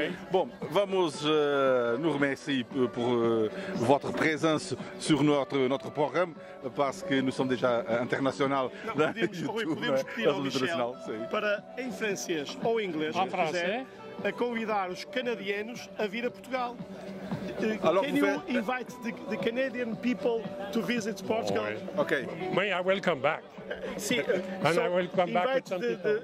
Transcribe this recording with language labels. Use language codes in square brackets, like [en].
[pt] Bom, vamos nos [fr] remercier por votre présence sur notre programme, parce que nous sommes déjà internacional. [pt] Podíamos pedir ao Michel para, em francês ou em inglês, se quiser, a convidar os canadianos a vir a Portugal. [en] Can you invite the Canadian people to visit Portugal? Oh, okay. May I welcome back? See, and so I will come back with some people.